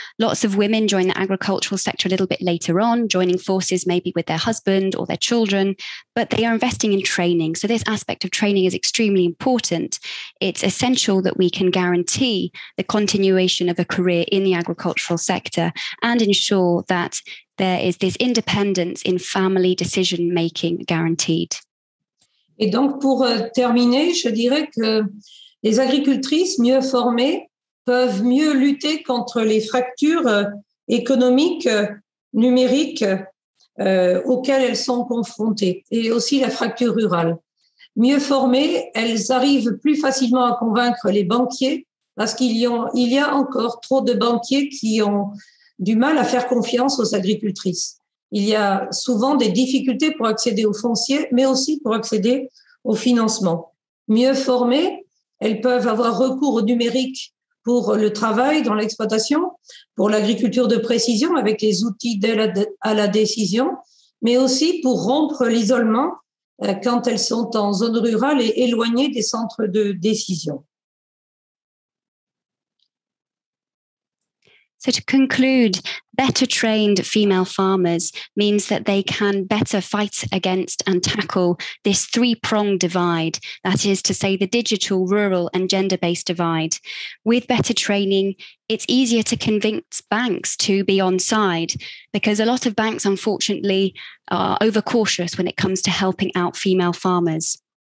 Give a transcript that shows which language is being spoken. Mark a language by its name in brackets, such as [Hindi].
[English] Lots of women join the agricultural sector a little bit later on, joining forces maybe with their husband or their children, but they are investing in training. So this aspect of training is extremely important. It's essential that we can guarantee the continuation of a career in the agricultural sector and ensure that there is this independence in family decision making guaranteed. [French] Et donc, pour terminer, je dirais que les agricultrices mieux formées peuvent mieux lutter contre les fractures économiques, numériques auxquelles elles sont confrontées, et aussi la fracture rurale. Mieux formées, elles arrivent plus facilement à convaincre les banquiers, parce qu'il y a encore trop de banquiers qui ont du mal à faire confiance aux agricultrices. Il y a souvent des difficultés pour accéder aux fonciers, mais aussi pour accéder au financement. Mieux formées, elles peuvent avoir recours au numérique pour le travail dans l'exploitation, pour l'agriculture de précision avec les outils d'aide à la décision, mais aussi pour rompre l'isolement quand elles sont en zone rurale et éloignées des centres de décision. [English] So to conclude, better trained female farmers means that they can better fight against and tackle this three-pronged divide, that is to say the digital, rural and gender-based divide. With better training, it's easier to convince banks to be on side, because a lot of banks, unfortunately, are overcautious when it comes to helping out female farmers.